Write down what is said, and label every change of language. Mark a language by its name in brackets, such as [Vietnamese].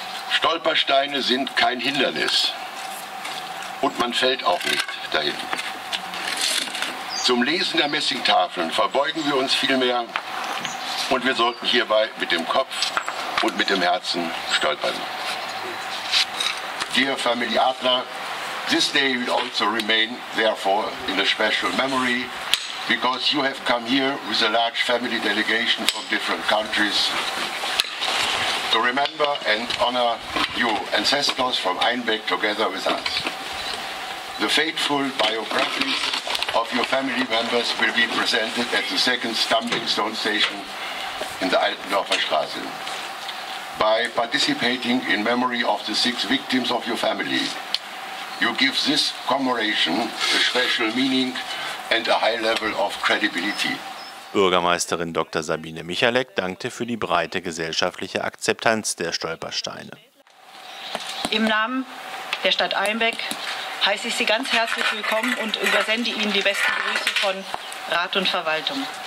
[German] Stolpersteine sind kein Hindernis und man fällt auch nicht dahin. Zum Lesen der Messingtafeln verbeugen wir uns vielmehr und wir sollten hierbei mit dem Kopf und mit dem Herzen stolpern. [English] Dear Family Adler, this day will also remain therefore in a special memory because you have come here with a large family delegation from different countries. To remember and honor you ancestors from Einbeck together with us. The fateful biographies of your family members will be presented at the second stumbling stone station in the Altendorfer Straße. By participating in memory of the 6 victims of your family, you give this commemoration a special meaning and a high level of credibility. [German] Bürgermeisterin Dr. Sabine Michalek dankte für die breite gesellschaftliche Akzeptanz der Stolpersteine. Im Namen der Stadt Einbeck heiße ich Sie ganz herzlich willkommen und übersende Ihnen die besten Grüße von Rat und Verwaltung.